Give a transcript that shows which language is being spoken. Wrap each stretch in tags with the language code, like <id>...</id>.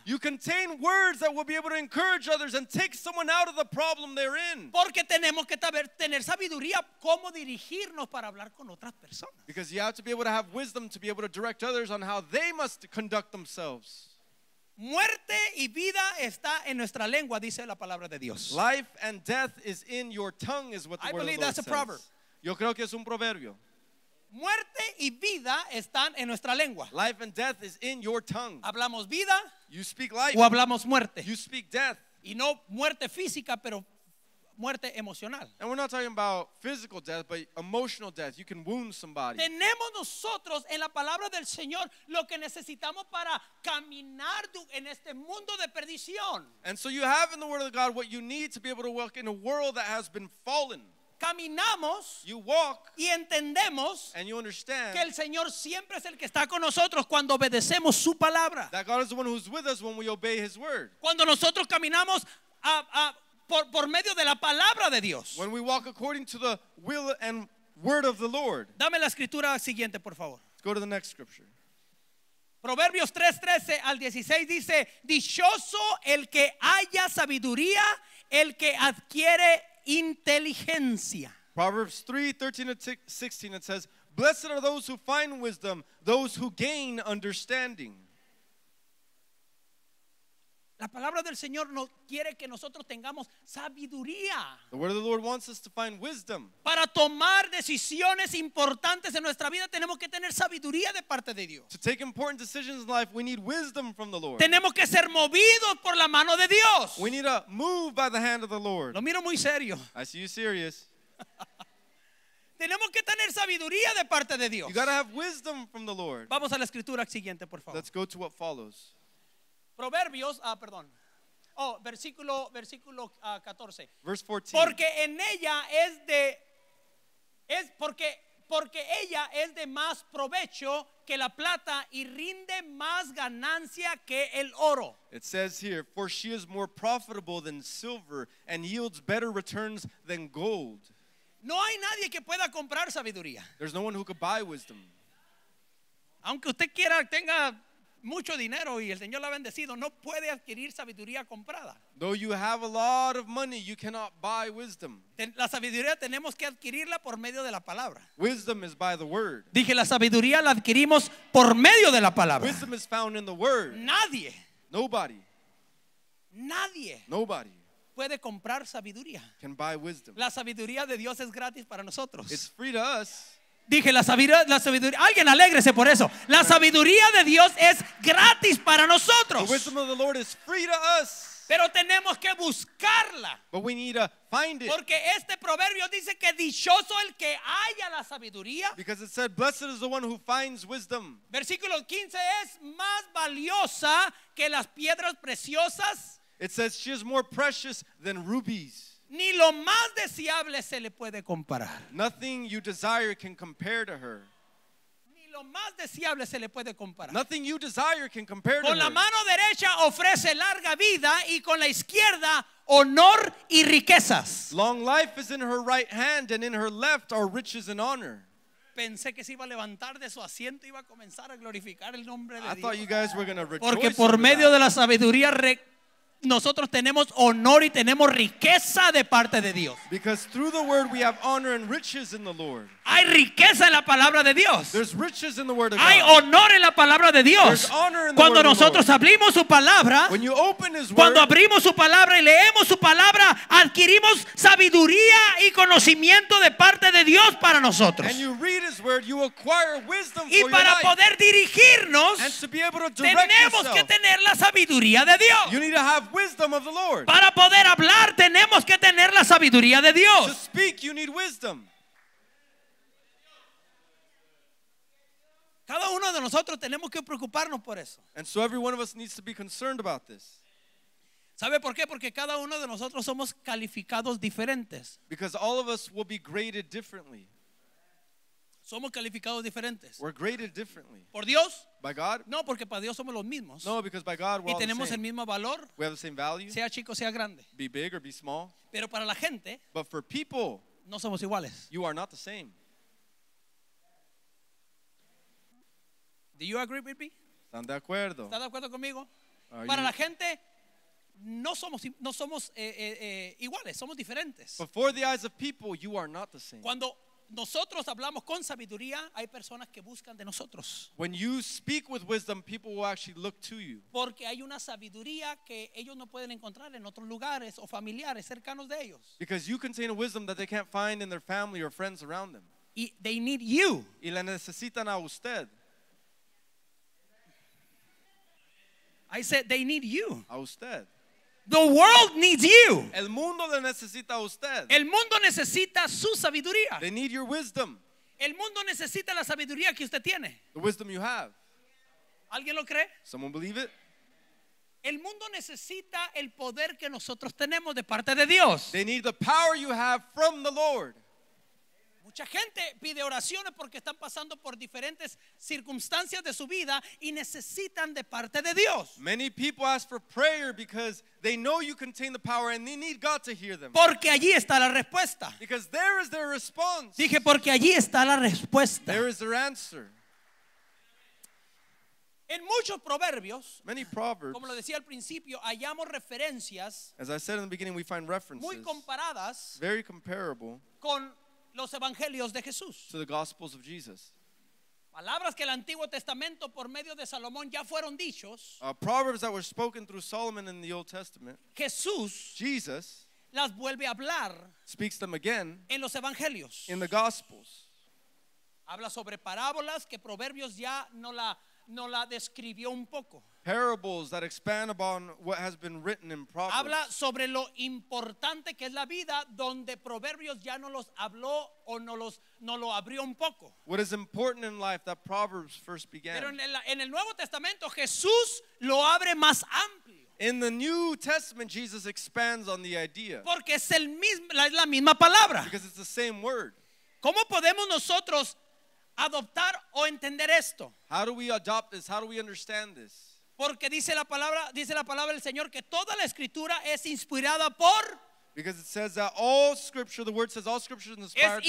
<en>You contain words that will be able to encourage others and take someone out of the problem they're in.</en> <es>Porque tenemos que tener sabiduría cómo dirigirnos para hablar con otras personas.</es> <en>Because you have to be able to have wisdom to be able to direct others on how they must conduct themselves.</en> <es>Muerte y vida está en nuestra lengua, dice la palabra de Dios.</es> <en>Life and death is in your tongue is what the I word believe of the Lord says. A proverb.</en> <es>Yo creo que es un proverbio. Muerte y vida están en nuestra lengua.</es> <en>Life and death is in your tongue.</en> <es>Hablamos vida.</es> <en>You speak life.</en> <es>O hablamos muerte.</es> <en>You speak death.</en> <es>Y no muerte física, pero muerte emocional.</es> <en>And we're not talking about physical death, but emotional death. You can wound somebody.</en> <es>Tenemos nosotros en la palabra del Señor lo que necesitamos para caminar en este mundo de perdición.</es> <en>And so you have in the word of God what you need to be able to walk in a world that has been fallen.</en> <es>Caminamos.</es> <en>You walk.</en> <es>Y entendemos.</es> <en>And you understand.</en> <es>Que el Señor siempre es el que está con nosotros cuando obedecemos su palabra.</es> <en>That God is the one who's with us when we obey his word.</en> <es>Cuando nosotros caminamos por medio de la palabra de Dios.</es> <en>When we walk according to the will and word of the Lord.</en> <es>Dame la escritura siguiente, por favor.</es> <en>Let's go to the next scripture.</en> <es>Proverbios 3:13 al 16 dice, dichoso el que haya sabiduría, el que adquiere inteligencia.</es> <en>Proverbs 3:13-16, it says, blessed are those who find wisdom, those who gain understanding.</en> <es>La palabra del Señor no quiere que nosotros tengamos sabiduría.</es> <en>The word of the Lord wants us to find wisdom.</en> <es>Para tomar decisiones importantes en nuestra vida tenemos que tener sabiduría de parte de Dios.</es> <en>To take important decisions in life, we need wisdom from the Lord.</en> <es>Tenemos que ser movidos por la mano de Dios.</es> <en>We need to move by the hand of the Lord.</en> <es>Lo miro muy serio.</es> <en>I see you serious.</en> <es>Tenemos que tener sabiduría de parte de Dios.</es> <en>You gotta have wisdom from the Lord.</en> <es>Vamos a la escritura siguiente, por favor.</es> <en>Let's go to what follows.</en> <es>Proverbios, perdón. Oh, versículo 14.</es> <en>Verse 14.</en> <es>Porque en ella es porque ella es de más provecho que la plata y rinde más ganancia que el oro.</es> <en>It says here, for she is more profitable than silver and yields better returns than gold.</en> <es>No hay nadie que pueda comprar sabiduría.</es> <en>There's no one who could buy wisdom.</en> <es>Aunque usted quiera tenga mucho dinero y el Señor la ha bendecido, no puede adquirir sabiduría comprada.</es> <en>Though you have a lot of money, you cannot buy wisdom.</en> <es>La sabiduría tenemos que adquirirla por medio de la palabra.</es> <en>Wisdom is by the word.</en> <es>Dije, la sabiduría la adquirimos por medio de la palabra.</es> <en>Wisdom is found in the word.</en> <es>Nadie.</es> <en>Nobody.</en> <es>Nadie.</es> <en>Nobody.</en> <es>Puede comprar sabiduría.</es> <en>Can buy wisdom.</en> <es>La sabiduría de Dios es gratis para nosotros.</es> <en>It's free to us.</en> <es>Dije, la sabiduría, alguien alégrese por eso. La sabiduría de Dios es gratis para nosotros.</es> <en>The wisdom of the Lord is free to us.</en> <es>Pero tenemos que buscarla.</es> <en>But we need to find it.</en> <es>Porque este proverbio dice que dichoso el que haya la sabiduría.</es> <en>Because it said, blessed is the one who finds wisdom.</en> <es>Versículo 15 es más valiosa que las piedras preciosas.</es> <en>It says, she is more precious than rubies.</en> <es>Ni lo más deseable se le puede comparar.</es> <en>Nothing you desire can compare to her.</en> <es>Ni lo más deseable se le puede comparar.</es> <en>Nothing you desire can compare to her.</en> <es>Con la mano derecha ofrece larga vida y con la izquierda honor y riquezas.</es> <en>Long life is in her right hand and in her left are riches and honor.</en> <es>Pensé que se iba a levantar de su asiento y iba a comenzar a glorificar el nombre de Dios.</es> <en>I thought you guys were going to rejoice.</en> <es>Porque por medio de la sabiduría nosotros tenemos honor y tenemos riqueza de parte de Dios.</es> <en>Because through the word we have honor and riches in the Lord.</en> <es>Hay riqueza en la palabra de Dios.</es> <en>There's riches in the word of God.</en> <es>Hay honor en la palabra de Dios.</es> <en>There's honor in the word of God.</en> <es>Cuando nosotros abrimos su palabra,</es> <en>when you open his word,</en> <es>cuando abrimos su palabra y leemos su palabra, adquirimos sabiduría y conocimiento de parte de Dios para nosotros.</es> <en>And you read his word, you acquire wisdom for</en> <es>y para poder dirigirnos,</es> <en>and to be able to direct yourself,</en> <es>tenemos que tener la sabiduría de Dios.</es> <en>You need to have wisdom of the Lord.</en> <es>Para poder hablar, tenemos que tener la sabiduría de Dios.</es> <en>To speak, you need wisdom.</en> <es>Cada uno de nosotros tenemos que preocuparnos por eso.</es> <en>And so every one of us needs to be concerned about this.</en> <es>¿Sabe por qué? Porque cada uno de nosotros somos calificados diferentes.</es> <en>Because all of us will be graded differently.</en> <es>Somos calificados diferentes.</es> <en>We're graded differently.</en> <es>¿Por Dios?</es> <en>By God?</en> <es>No, porque para Dios somos los mismos.</es> <en>No, because by God we're</en> <es>y tenemos</es> <en>all the same.</en> <es>El mismo valor.</es> <en>We have the same value.</en> <es>Sea chico, sea grande.</es> <en>Be big or be small.</en> <es>Pero para la gente,</es> <en>but for people,</en> <es>no somos iguales.</es> <en>You are not the same. Do you agree with me?</en> <es>¿Están de acuerdo? ¿Están de acuerdo conmigo?</es> <en>Are</en> <es>para</es> <en>you?</en> <es>La gente no somos iguales, somos diferentes.</es> <en>But for the eyes of people, you are not the same.</en> <es>Cuando nosotros hablamos con sabiduría, hay personas que buscan de nosotros.</es> <en>When you speak with wisdom, people will actually look to you.</en> <es>Porque hay una sabiduría que ellos no pueden encontrar en otros lugares o familiares cercanos de ellos.</es> <en>Because you contain a wisdom that they can't find in their family or friends around them. Y they need you.</en> <es>Y la necesitan a usted.</es> <en>I said they need you.</en> <es>A usted.</es> <en>The world needs you.</en> <es>El mundo le necesita a usted. El mundo necesita su sabiduría.</es> <en>They need your wisdom.</en> <es>El mundo necesita la sabiduría que usted tiene.</es> <en>The wisdom you have.</en> <es>¿Alguien lo cree?</es> <en>Someone believe it?</en> <es>El mundo necesita el poder que nosotros tenemos de parte de Dios.</es> <en>They need the power you have from the Lord.</en> <es>Mucha gente pide oraciones porque están pasando por diferentes circunstancias de su vida y necesitan de parte de Dios.</es> <en>Many people ask for prayer because they know you contain the power and they need God to hear them.</en> <es>Porque allí está la respuesta.</es> <en>Because there is their response.</en> <es>Dije, porque allí está la respuesta.</es> <en>There is their answer.</en> <es>En muchos proverbios,</es> <en>many proverbs,</en> <es>como lo decía al principio, hallamos referencias,</es> <en>as I said in the beginning, we find references,</en> <es>muy comparadas,</es> <en>very comparable,</en> <es>con los evangelios de Jesús.</es> <en>To the gospels of Jesus.</en> <es>Palabras que el Antiguo Testamento por medio de Salomón ya fueron dichos.</es> <en>Proverbs that were spoken through Solomon in the Old Testament.</en> <es>Jesús.</es> <en>Jesus.</en> <es>Las vuelve a hablar.</es> <en>Speaks them again.</en> <es>En los Evangelios.</es> <en>In the Gospels.</en> <es>Habla sobre parábolas que Proverbios ya no la describió un poco.</es> <en>Parables that expand upon what has been written in Proverbs.</en> <es>Habla sobre lo importante que es la vida, donde Proverbios ya no los habló o no lo abrió un poco.</es> <en>What is important in life that Proverbs first began.</en> <es>Pero en el Nuevo Testamento Jesús lo abre más amplio.</es> <en>In the New Testament Jesus expands on the idea.</en> <es>Porque es el mismo, es la misma palabra.</es> <en>Because it's the same word.</en> <es>¿Cómo podemos nosotros adoptar o entender esto?</es> <en>How do we adopt this? How do we understand this?</en> <es>Porque dice la palabra del Señor que toda la escritura es inspirada por.</es> <en>Because it says that all scripture, the word says all scripture is inspired by.</en>